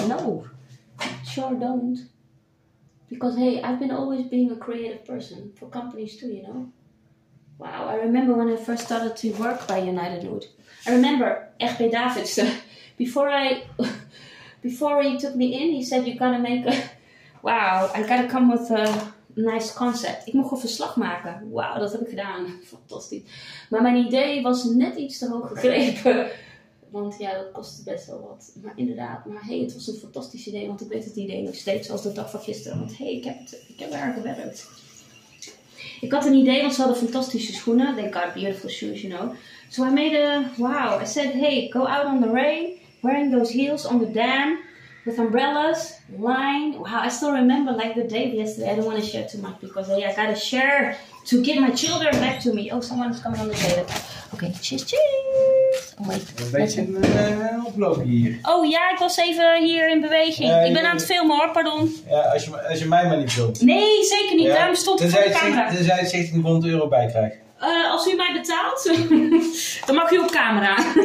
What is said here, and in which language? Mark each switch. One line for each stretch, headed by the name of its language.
English: No, sure don't. Because hey, I've been always being a creative person for companies too, you know. Wow, I remember when I first started to work by United Wood. I remember Egbe Davids, before he took me in, he said, you're gonna make a... Wow, I gotta come with a nice concept.
Dutch: Ik mocht een verslag maken. Wow, dat heb ik gedaan. Fantastisch. Maar mijn idee was net iets te hoog gegrepen. Want ja, dat kostte best wel wat. Maar inderdaad, maar hey, het was een fantastisch idee. Want ik weet het idee nog steeds als de dag van gisteren. Want hey, ik heb er aan gewerkt. Ik had een idee, want ze hadden fantastische schoenen.
English: They got beautiful shoes, you know. So I made a... Wow, I said, hey, go out on the rain. Wearing those heels on the dam, with umbrellas, lying. Wow, I still remember like the day yesterday. I don't want to share too much because hey, I gotta share to get my children back to me. Oh, someone's coming on the toilet. Okay, cheers, cheers. Oh, wait.
Dutch: Een beetje oplopen hier. Oh ja, ik was even hier in beweging. Ik ben aan het filmen hoor, pardon. Ja, als je mij maar niet filmt. Nee, zeker niet. Daarom stond ik voor de camera. Tenzij je 1700 euro bij krijgt. Als u mij betaalt, dan mag u op camera.